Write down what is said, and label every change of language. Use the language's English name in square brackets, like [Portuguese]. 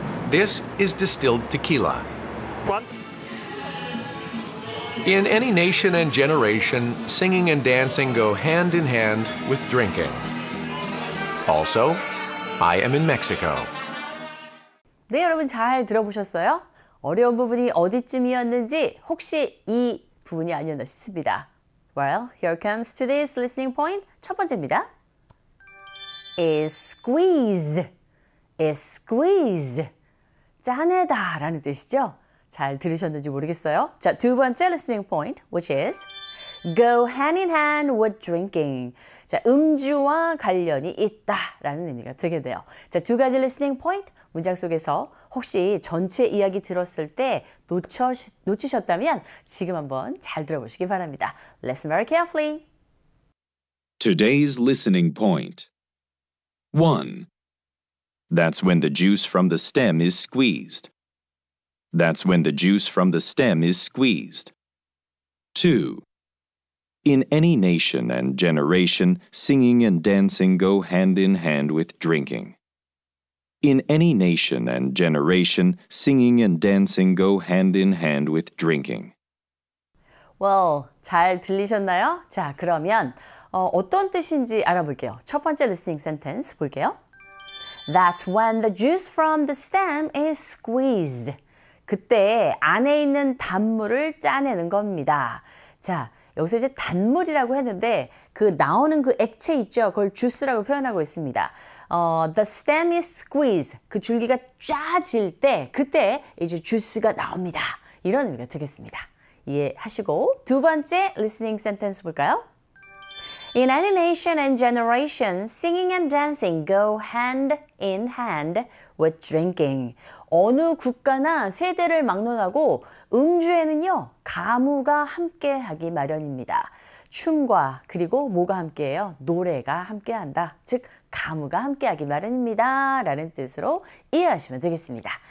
[English] This is distilled tequila. In any nation and generation, singing and dancing go hand in hand with drinking. Also, I am in Mexico. [Korean] 네, 여러분 잘 들어보셨어요? 어려운 부분이 어디쯤이었는지 혹시 이 부분이 아니었나 싶습니다. [English] Well, here comes today's listening point. [Korean] 첫 번째입니다. [English] Is squeeze. Is squeeze. [Korean] 짜내다 라는 뜻이죠? 잘 들으셨는지 모르겠어요. 자, 두 번째 [English] listening point, which is go hand in hand with drinking. [Korean] 자, 음주와 관련이 있다 라는 의미가 되게 돼요. 자, 두 가지 listening point. 문장 속에서 혹시 전체 이야기 들었을 때 놓치셨다면 지금 한번 잘 들어보시기 바랍니다. [English] Listen very carefully. Today's listening point. 1. That's when the juice from the stem is squeezed. That's when the juice from the stem is squeezed. 2. In any nation and generation, singing and dancing go hand in hand with drinking. In any nation and generation, singing and dancing go hand in hand with drinking. [Korean] Well, 잘 들리셨나요? 자, 그러면 어떤 뜻인지 알아볼게요. 첫 번째 listening sentence 볼게요. [English] That's when the juice from the stem is squeezed. [Korean] 그때 안에 있는 단물을 짜내는 겁니다. 자, 여기서 이제 단물이라고 했는데 그 나오는 그 액체 있죠? 그걸 주스라고 표현하고 있습니다. [English] The stem is squeezed. [Korean] 그 줄기가 짜질 때, 그때 이제 주스가 나옵니다. 이런 의미가 되겠습니다. 이해하시고 두 번째 listening sentence 볼까요? [English] In any nation and generation, singing and dancing go hand in hand with drinking. [Korean] 어느 국가나 세대를 막론하고 음주에는요, 가무가 함께하기 마련입니다. 춤과 그리고 뭐가 함께해요? 노래가 함께한다. 즉, 가무가 함께하기 마련입니다. 라는 뜻으로 이해하시면 되겠습니다.